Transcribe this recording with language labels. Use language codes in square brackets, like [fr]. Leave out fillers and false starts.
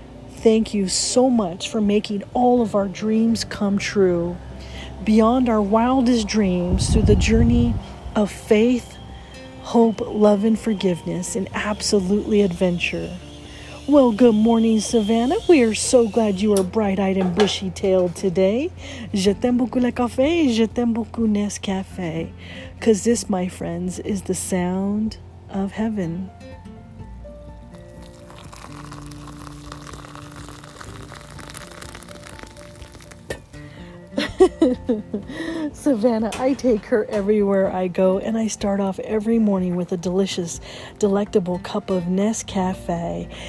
[en] Thank you so much for making all of our dreams come true beyond our wildest dreams through the journey of faith, hope, love, and forgiveness, and absolutely adventure. Well, good morning, Savannah. We are so glad you are bright-eyed and bushy-tailed today. [fr] Je t'aime beaucoup le café, je t'aime beaucoup Nescafé. [en] Because this, my friends, is the sound of heaven. Savannah, I take her everywhere I go, and I start off every morning with a delicious, delectable cup of Nescafé.